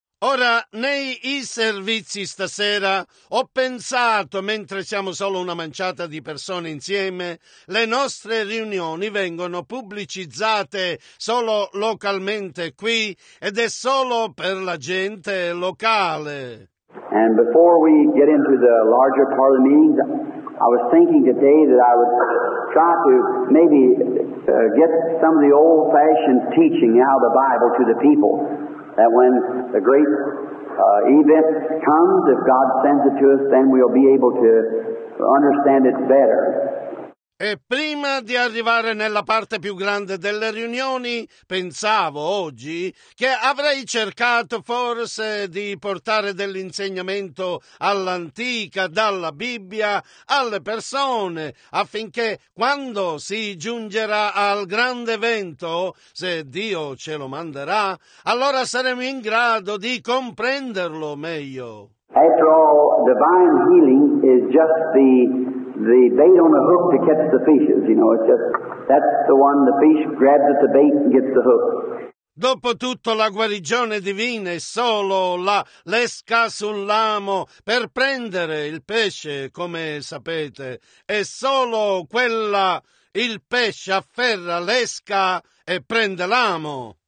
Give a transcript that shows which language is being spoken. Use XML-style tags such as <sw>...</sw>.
<it>Ora, nei servizi stasera, ho pensato, mentre siamo solo una manciata di persone insieme, le nostre riunioni vengono pubblicizzate solo localmente qui ed è solo per la gente locale.</it> <en>And before we get into the larger part of the meeting, I was thinking today that I would try to maybe get some of the old-fashioned teaching out of the Bible to the people. That when the great event comes, if God sends it to us, then we'll be able to understand it better.</en> <it>E prima di arrivare nella parte più grande delle riunioni, pensavo oggi che avrei cercato forse di portare dell'insegnamento all'antica, dalla Bibbia, alle persone, affinché quando si giungerà al grande evento, se Dio ce lo manderà, allora saremo in grado di comprenderlo meglio.</it> <en>After all, divine healing is just the bait on the hook to catch the fishes, you know, it's just, that's the one, the fish grabs at the bait and gets the hook.</en> <it>Dopotutto la guarigione divina è solo l'esca sull'amo per prendere il pesce, come sapete, è solo quella, il pesce afferra l'esca e prende l'amo.</it>